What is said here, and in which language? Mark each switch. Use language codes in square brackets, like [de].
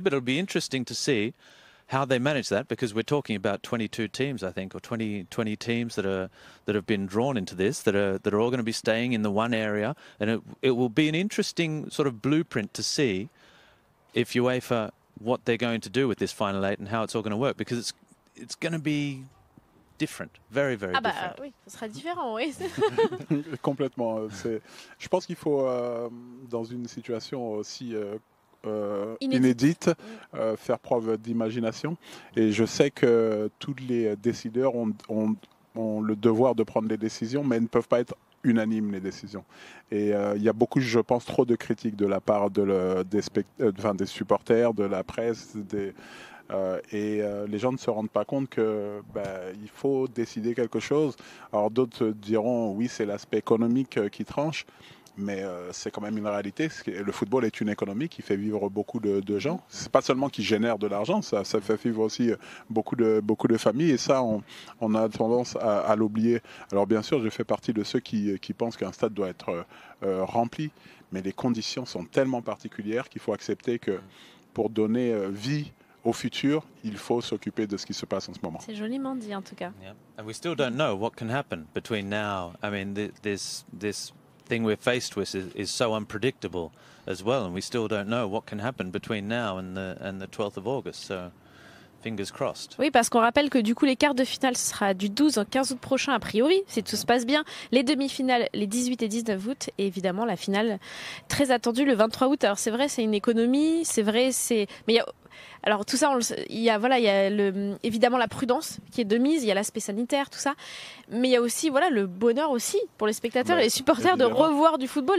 [en] But it'll be interesting to see how they manage that, because we're talking about 22 teams, I think, or 20 teams that have been drawn into this that are all going to be staying in the one area. And it will be an interesting sort of blueprint to see if UEFA, what they're going to do with this final eight and how it's all going to work, because it's going to be different, very, very different. [fr] Ah bah oui, ce sera différent, oui. Complètement. Je pense qu'il faut, dans une situation aussi inédite, faire preuve d'imagination. Et je sais que tous les décideurs ont le devoir de prendre des décisions, mais ne peuvent pas être unanimes, les décisions. Et il y a beaucoup, je pense, trop de critiques de la part des supporters, de la presse, des... les gens ne se rendent pas compte qu'il faut décider quelque chose. Alors d'autres diront oui, c'est l'aspect économique qui tranche, mais c'est quand même une réalité. Le football est une économie qui fait vivre beaucoup de gens. C'est pas seulement qui génère de l'argent, ça fait vivre aussi beaucoup de familles, et ça on a tendance à l'oublier. Alors bien sûr, je fais partie de ceux qui pensent qu'un stade doit être rempli, mais les conditions sont tellement particulières qu'il faut accepter que pour donner vie au futur, il faut s'occuper de ce qui se passe en ce moment. C'est joliment dit, en tout cas. [en] Yeah. And we still don't know what can happen between now. I mean, this thing we're faced with is so unpredictable as well, and we still don't know what can happen between now and the 12th of August. So, fingers crossed. [fr] Oui, parce qu'on rappelle que du coup, les quarts de finale ce sera du 12 au 15 août prochain, a priori, si tout se passe bien. Les demi-finales, les 18 et 19 août, et évidemment la finale très attendue le 23 août. Alors c'est vrai, c'est une économie. C'est vrai, c'est. Mais alors tout ça, il y a évidemment la prudence qui est de mise, il y a l'aspect sanitaire, tout ça, mais il y a aussi le bonheur aussi pour les spectateurs et les supporters de revoir du football.